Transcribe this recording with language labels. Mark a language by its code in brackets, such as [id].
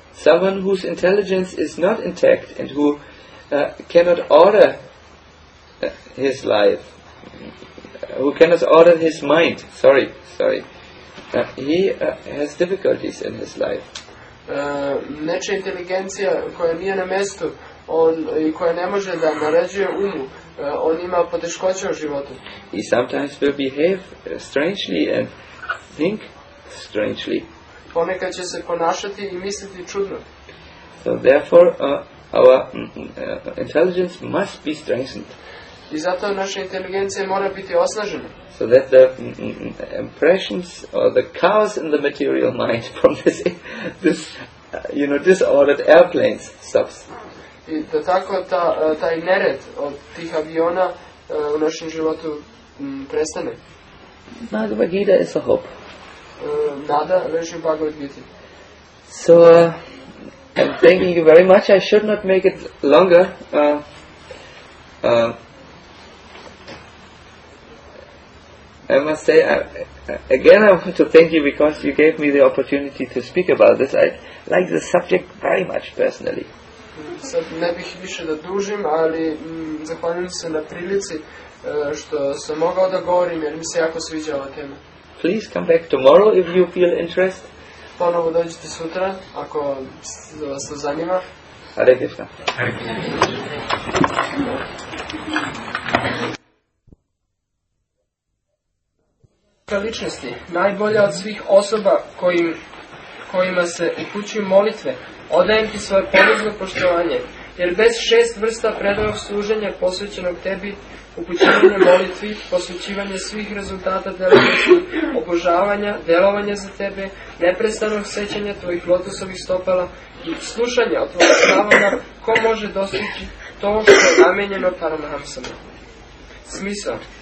[en] Someone whose intelligence is not intact and who cannot order his life, who cannot order his mind, sorry, he has difficulties in his life. [sr] Nečija inteligencija koja nije na mestu, on i koja ne može da naređuje umu, on ima poteškoće u životu. [en] He sometimes will behave strangely and think strangely. [sr] Ponekad će se ponašati i misliti čudno. [en] So therefore our intelligence must be strengthened. [sr] I zato naša inteligencija mora biti osnažena. [en] So that the impressions or the chaos in the material mind from this you know, disordered airplanes stops. [sr] I da tako taj nered od tih aviona u našem životu prestane. [en] Bhagavad Gita is a hope. [sr] Nada leži u Bhagavad Gita. [en] So, I'm thanking you very much. I should not make it longer. I must say, again I want to thank you because you gave me the opportunity to speak about this. I like the subject very much personally. [sr] Sad ne bih više da dužim, ali zahvaljujem se na prilici što sam mogao da govorim, jer mi se jako sviđa ova tema. [en] Please come back tomorrow if you feel interest. [sr] Ponovo dođite sutra, ako vas to zanima. [en] Hare Krishna. [sr] Hare Krishna. Najbolja od svih osoba kojima se upućuju molitve, odajem ti svoje ponizno poštovanje, jer bez šest vrsta predanog služenja posvećenog tebi, upućivanje molitvi, posvećivanje svih rezultata delovanja, obožavanja, delovanja za tebe, neprestanog sećanja tvojih lotusovih stopala i slušanja od tvojeg stavana, ko može dostići to što je namenjeno Paramahamsama. Smisao.